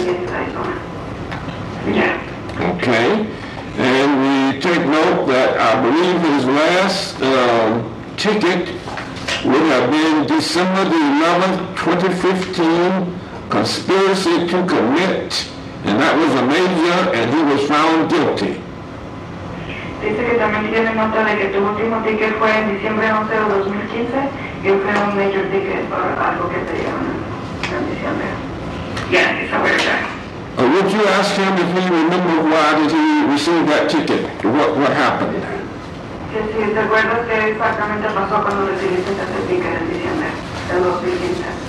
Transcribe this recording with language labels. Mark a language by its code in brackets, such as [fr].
[en] Okay. And we take note that I believe his last ticket would have been December the 11th, 2015, conspiracy to commit. And that was a major, and he was found guilty. [es] Dice que también tiene nota de que tu último ticket fue en diciembre 11 de 2015, y fue un [en] major ticket [es] por algo que te dieron en diciembre. [en] Yeah, it's a weird guy. Would you ask him if he remembered why did he receive that ticket? What happened? [es] Sí, ¿te acuerdas qué exactamente pasó cuando recibiste ese ticket en diciembre de 2015?